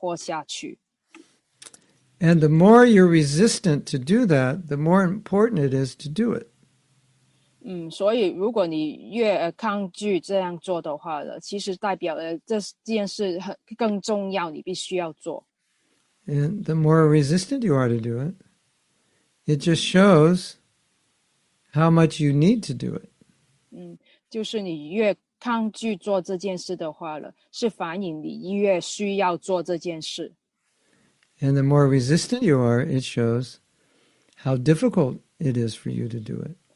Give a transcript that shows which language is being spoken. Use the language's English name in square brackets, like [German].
[Chinese] 所以呢，你要把车子停在路边，跟自己说，我现在走了一个错的方向，所以我要回头，我去找回正确的方向。你不要一直这错下去。 [English] And the more you're resistant to do that, the more important it is to do it. [Chinese] 所以如果你越抗拒这样做的话，其实代表了这件事更重要，你必须要做。 [English] And the more resistant you are to do it, it just shows how much you need to do it. [Chinese] 就是你越抗拒做这件事的话了，是反映你越需要做这件事。 [English] And the more resistant you are, it shows how difficult it is for you to do it.